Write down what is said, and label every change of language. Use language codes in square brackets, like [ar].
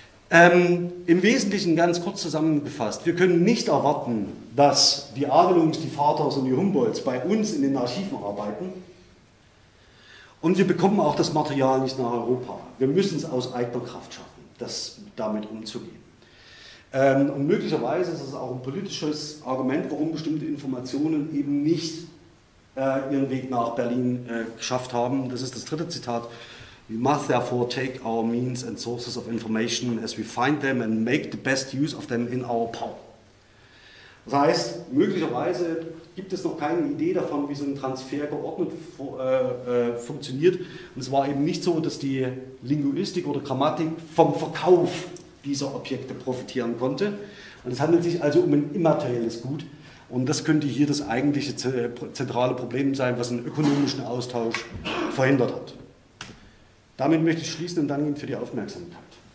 [de] Im Wesentlichen ganz kurz zusammengefasst, wir können nicht erwarten, dass die Adelungs, die Vaters und die Humboldts bei uns in den Archiven arbeiten und wir bekommen auch das Material nicht nach Europa. Wir müssen es aus eigener Kraft schaffen, damit umzugehen. Und möglicherweise ist es auch ein politisches Argument, warum bestimmte Informationen eben nicht ihren Weg nach Berlin geschafft haben. Das ist das dritte Zitat. [en] We must therefore take our means and sources of information as we find them and make the best use of them in our power. [de] Das heißt, möglicherweise gibt es noch keine Idee davon, wie so ein Transfer geordnet funktioniert. Und es war eben nicht so, dass die Linguistik oder Grammatik vom Verkauf dieser Objekte profitieren konnte. Und es handelt sich also um ein immaterielles Gut. Und das könnte hier das eigentliche zentrale Problem sein, was einen ökonomischen Austausch verhindert hat. Damit möchte ich schließen und danke Ihnen für die Aufmerksamkeit.